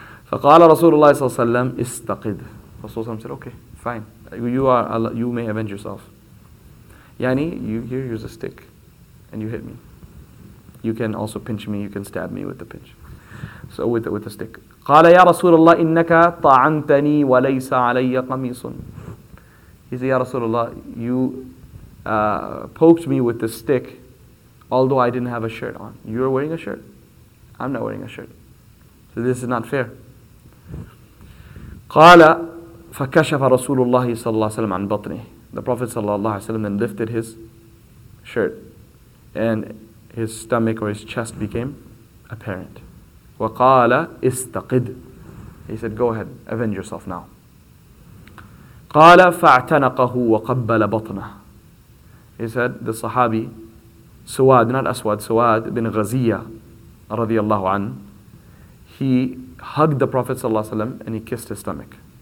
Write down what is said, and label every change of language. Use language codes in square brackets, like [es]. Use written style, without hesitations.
[ar] فَقَالَ رَسُولُ اللَّهِ صَلَّى اللَّهُ عَلَيْهِ وَسَلَّمَ إِسْتَقِدْ [en] Rasulullah said, okay, fine. You may avenge yourself. Yani, here use a stick and you hit me. You can also pinch me, you can stab me with the stick. [ar] قال يا رسول الله إنك طعنتني وليس علي قميص. [en] He said, Ya Rasulullah, you poked me with the stick, although I didn't have a shirt on. You're wearing a shirt. I'm not wearing a shirt. So this is not fair. [ar] قال فكشف رسول الله صلى الله عليه وسلم عن بطنه. [en] The Prophet [ar] صلى الله عليه وسلم [en] then lifted his shirt, and his stomach or his chest became apparent. [ar] وقال استقد. [en] He said, go ahead, avenge yourself now. [ar] قال فاعتنقه وقبل بطنه. [en] He said, the Sahabi, Suwad, not Aswad, Suwad bin Ghaziyah, [ar] رضي الله عنه, [en] he hugged the Prophet صلى الله عليه وسلم and he kissed his stomach.